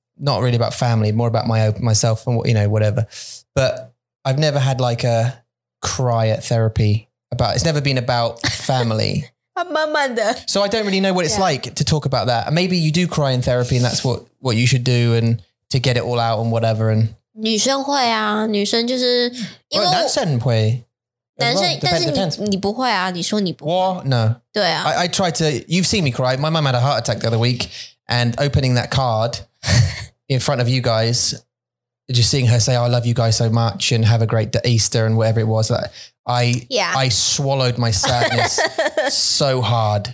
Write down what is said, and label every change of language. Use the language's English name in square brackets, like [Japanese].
[English] Not really about family, more about myself and what, you know, whatever. But I've never had like a cry at therapy about, it's never been about family. So I don't really know what it's like to talk about that. Maybe you do cry in therapy and that's what you should do and to get it all out and whatever. And [Chinese] 女生会啊，女生就是因为男生会，男生但是你不会啊，你说你不会。我 [English] no. [Chinese] 对啊。 [English] I tried to, you've seen me cry. My mom had a heart attack the other week and opening that card in front of you guys, just seeing her say, oh, I love you guys so much and have a great Easter and whatever it was that. I swallowed my sadness so hard.